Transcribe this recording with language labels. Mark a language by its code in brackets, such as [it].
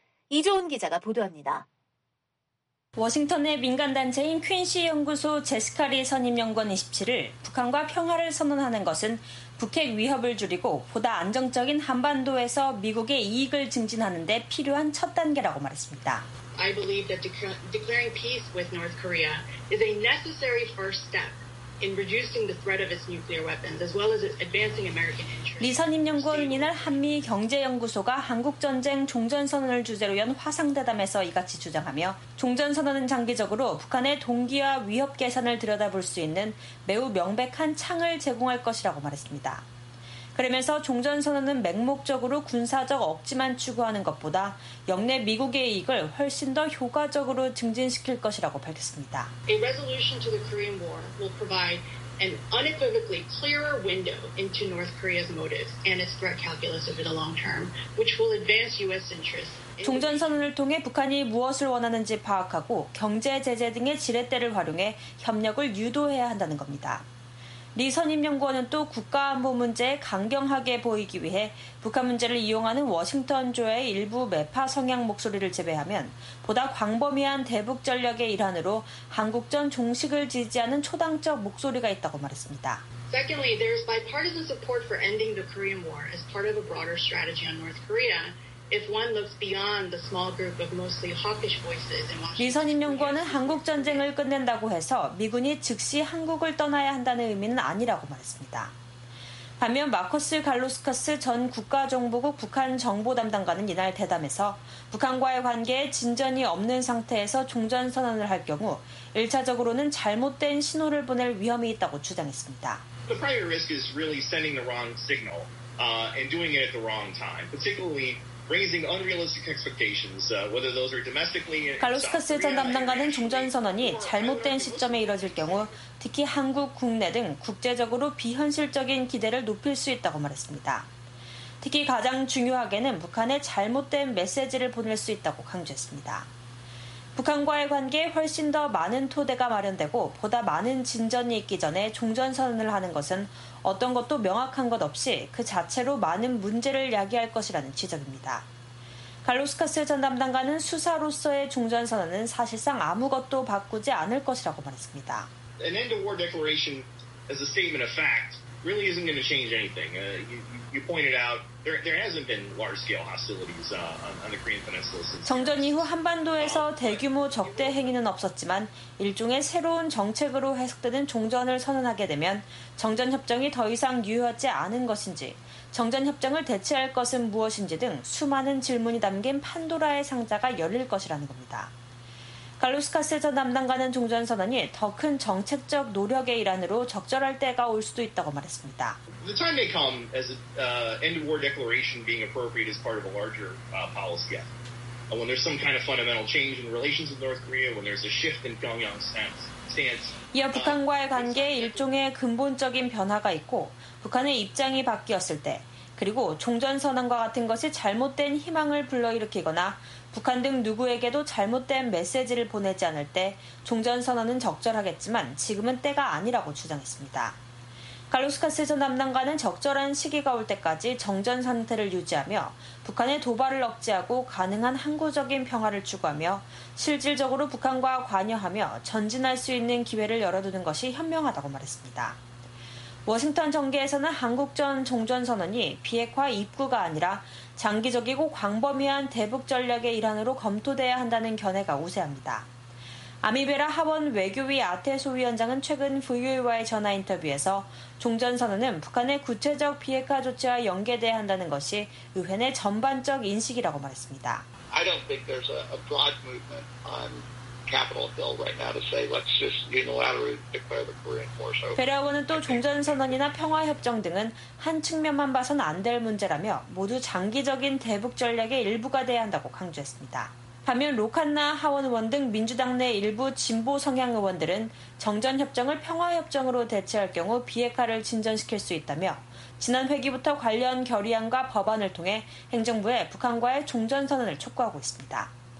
[ko] 이조은 기자가 보도합니다. 워싱턴의 민간단체인 퀸시 연구소 제시카 리 선임연구원 27일 북한과 평화를 선언하는 것은 북핵 위협을 줄이고 보다 안정적인 한반도에서 미국의 이익을 증진하는 데 필요한 첫 단계라고 말했습니다. [en] I believe that declaring peace with North Korea is a necessary first step. In reducing the threat of its nuclear weapons, as well as advancing American interests. [ko] 리 선임연구원은 이날 한미경제연구소가 한국전쟁 종전선언을 주제로 연 화상대담에서 이같이 주장하며 종전선언은 장기적으로 북한의 동기와 위협 개선을 들여다볼 수 있는 매우 명백한 창을 제공할 것이라고 말했습니다. 그러면서 종전선언은 맹목적으로 군사적 억지만 추구하는 것보다 역내 미국의 이익을 훨씬 더 효과적으로 증진시킬 것이라고 밝혔습니다. [en] A resolution to the Korean War will provide an unequivocally clearer window into North Korea's motives and its threat calculus over the long term, which will advance U.S. interests. [ko] 종전선언을 통해 북한이 무엇을 원하는지 파악하고 경제 제재 등의 지렛대를 활용해 협력을 유도해야 한다는 겁니다. 리 선임연구원은 또 국가안보 문제에 강경하게 보이기 위해 북한 문제를 이용하는 워싱턴 조의 일부 매파 성향 목소리를 제외하면 보다 광범위한 대북 전략의 일환으로 한국전 종식을 지지하는 초당적 목소리가 있다고 말했습니다. [en] Secondly, there's bipartisan support for ending the Korean War as part of a broader strategy on North Korea. If one looks beyond the small group of mostly hawkish voices in Washington, [ko] 리 선임연구원은 한국 전쟁을 끝낸다고 해서 미군이 즉시 한국을 떠나야 한다는 의미는 아니라고 말했습니다. 반면 마커스 갈로스카스 전 국가정보국 북한 정보 담당관은 이날 대담에서 북한과의 관계에 진전이 없는 상태에서 종전 선언을 할 경우 일차적으로는 잘못된 신호를 보낼 위험이 있다고 주장했습니다. [en] The prior risk is really sending the wrong signal and doing it at the wrong time, particularly. Raising unrealistic expectations, whether those are domestically in South Korea. [ko] 갈로스카스 전 담당관은 종전선언이 잘못된 시점에 이뤄질 경우 특히 한국 국내 등 국제적으로 비현실적인 기대를 높일 수 있다고 말했습니다. 특히 가장 중요하게는 북한에 잘못된 메시지를 보낼 수 있다고 강조했습니다. 북한과의 관계에 훨씬 더 많은 토대가 마련되고 보다 많은 진전이 있기 전에 종전선언을 하는 것은 어떤 것도 명확한 것 없이 그 자체로 많은 문제를 야기할 것이라는 지적입니다. 갈로스카스 전 담당관은 수사로서의 종전선언은 사실상 아무것도 바꾸지 않을 것이라고 말했습니다. [en] An end of war declaration as a statement of fact really isn't going to change anything. You pointed out there hasn't been large-scale hostilities on the Korean Peninsula since. [ko] 정전 이후 한반도에서 대규모 적대 행위는 없었지만 일종의 새로운 정책으로 해석되는 종전을 선언하게 되면 정전 협정이 더 이상 유효하지 않은 것인지, 정전 협정을 대체할 것은 무엇인지 등 수많은 질문이 담긴 판도라의 상자가 열릴 것이라는 겁니다. 갈로스카스 전 담당관은 종전선언이 더 큰 정책적 노력의 일환으로 적절할 때가 올 수도 있다고 말했습니다. [en] The time may come as end of war declaration being appropriate as part of a larger policy effort. When there's some kind of fundamental change in relations with North Korea, when there's a shift in Pyongyang's stance. [ko] 이어 북한과의 관계에 일종의 근본적인 변화가 있고 북한의 입장이 바뀌었을 때, 그리고 종전선언과 같은 것이 잘못된 희망을 불러일으키거나 북한 등 누구에게도 잘못된 메시지를 보내지 않을 때 종전선언은 적절하겠지만 지금은 때가 아니라고 주장했습니다. 갈로스카스 전 담당관은 적절한 시기가 올 때까지 정전 상태를 유지하며 북한의 도발을 억제하고 가능한 항구적인 평화를 추구하며 실질적으로 북한과 관여하며 전진할 수 있는 기회를 열어두는 것이 현명하다고 말했습니다. 워싱턴 정계에서는 한국전 종전선언이 비핵화 입구가 아니라 장기적이고 광범위한 대북 전략의 일환으로 검토돼야 한다는 견해가 우세합니다. 아미베라 하원 외교위 아테소 위원장은 최근 VOA와의 전화 인터뷰에서 종전선언은 북한의 구체적 비핵화 조치와 연계돼야 한다는 것이 의회 내 전반적 인식이라고 말했습니다. [en] I don't think there's a broad movement on Capitol Hill right now to say let's just unilaterally declare the Korean War over. [ko] 베라 하원은 또 종전선언이나 평화협정 등은 한 측면만 봐선 안 될 문제라며 모두 장기적인 대북 전략의 일부가 돼야 한다고 강조했습니다. 반면 로칸나 하원 의원 등 민주당 내 일부 진보 성향 의원들은 정전 협정을 평화 협정으로 대체할 경우 비핵화를 진전시킬 수 있다며 지난 회기부터 관련 결의안과 법안을 통해 행정부에 북한과의 종전 선언을 촉구하고 있습니다.